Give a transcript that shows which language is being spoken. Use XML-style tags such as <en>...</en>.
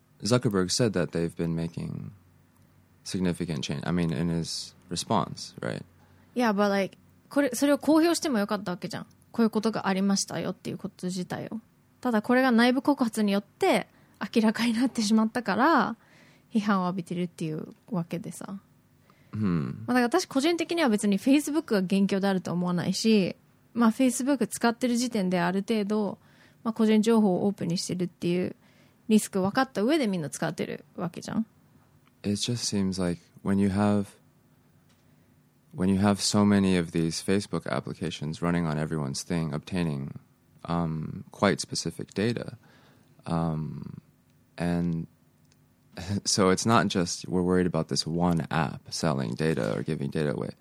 <en>Zuckerberg said that they've been making significant change. I mean, in his response, right? Yeah, but like,</en> <ja>それを公表してもよかったわけじゃん。こういうことがありましたよっていうこと自体を。ただこれが内部告発によって明らかになってしまったから、 批判を浴びてるっていうわけでさ。うん。まあ、だから私個人的には別にFacebookが元凶であるとは思わないし、まあFacebookを使ってる時点である程度、まあ個人情報をオープンにしてるっていうリスク分かった上でみんな使ってるわけじゃん。</ja> <en>It just seems like when you have so many of these Facebook applications running on everyone's thing, obtaining quite specific data, and so it's not just we're worried about this one app selling data or giving data away.</en>